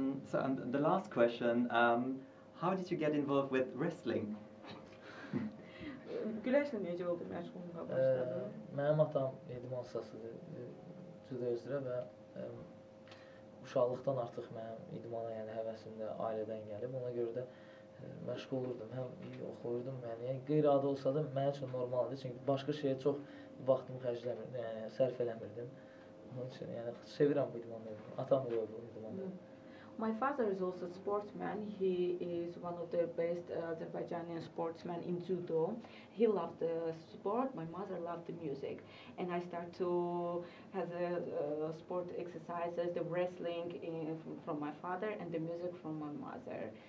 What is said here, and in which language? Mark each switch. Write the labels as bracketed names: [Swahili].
[English] So, the last question, how did you get involved with wrestling? [Azerbaijani] Güləşlə necə oldu məşğulluğa başladım? Mənim atam idman ustasıdır, cüda özürə və uşaqlıqdan artıq mənim idmana yəni həvəsimdə ailədən gəlib. Ona görə də məşğul olurdum, həm oxuyurdum mənə. Yəni, qeyri-adi olsa da mənim üçün normaldir, çünki başqa şeyə çox vaxtımı sərf eləmirdim. Onun üçün, yəni, sevirəm bu idmanı, atam da bu idmanı. [English] My father is also a sportsman. He is one of the best Azerbaijanian sportsmen in judo. He loved the sport. My mother loved the music. And I start to have the sport exercises, the wrestling from my father and the music from my mother.